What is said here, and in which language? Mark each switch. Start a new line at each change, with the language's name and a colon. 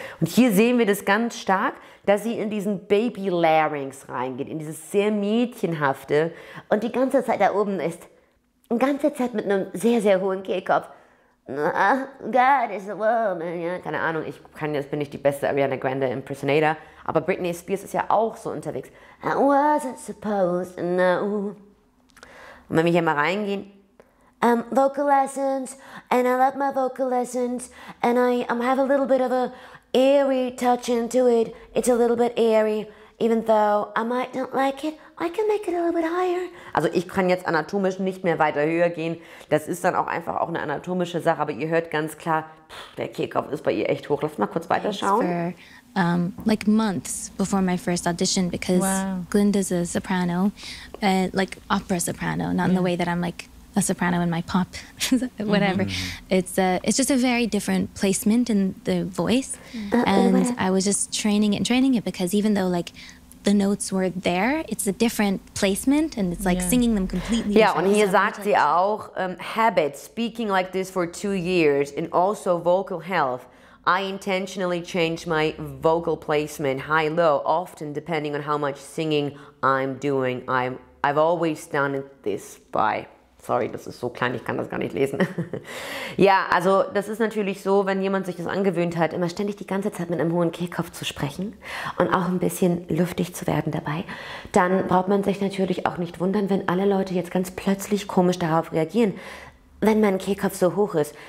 German: Und hier sehen wir das ganz stark, dass sie in diesen Baby-Larynx reingeht, in dieses sehr Mädchenhafte und die ganze Zeit da oben ist. Die ganze Zeit mit einem sehr, sehr hohen Kehlkopf. God is a woman, ja. Keine Ahnung, jetzt bin ich die beste Ariana Grande Impersonator, aber Britney Spears ist ja auch so unterwegs.
English: I wasn't supposed to know.
German: Und wenn wir hier mal reingehen,
English: vocal lessons, and I love my vocal lessons, and I have a little bit of a eerie touch into it, it's a little bit eerie, even though I might not like it, I can make it a little bit higher.
German: Also ich kann jetzt anatomisch nicht mehr weiter höher gehen. Das ist dann auch einfach auch eine anatomische Sache, aber ihr hört ganz klar, der Kehlkopf ist bei ihr echt hoch. Lass mal kurz weiterschauen.
English: For, like months before my first audition, because wow. Glinda's a soprano, like opera soprano, not in the way that I'm like a soprano in my pop, whatever. Mm-hmm. It's just a very different placement in the voice. Mm-hmm. And I was just training it because even though like the notes were there, it's a different placement and it's like singing them completely.
German: Yeah, und hier sagt sie auch,
English: habit, speaking like this for 2 years and also vocal health. I intentionally change my vocal placement high, low, often depending on how much singing I'm doing. I've always done it this way.
German: Sorry, das ist so klein, ich kann das gar nicht lesen. Ja, also das ist natürlich so, wenn jemand sich das angewöhnt hat, immer ständig die ganze Zeit mit einem hohen Kehlkopf zu sprechen und auch ein bisschen luftig zu werden dabei, dann braucht man sich natürlich auch nicht wundern, wenn alle Leute jetzt ganz plötzlich komisch darauf reagieren, wenn mein Kehlkopf so hoch ist.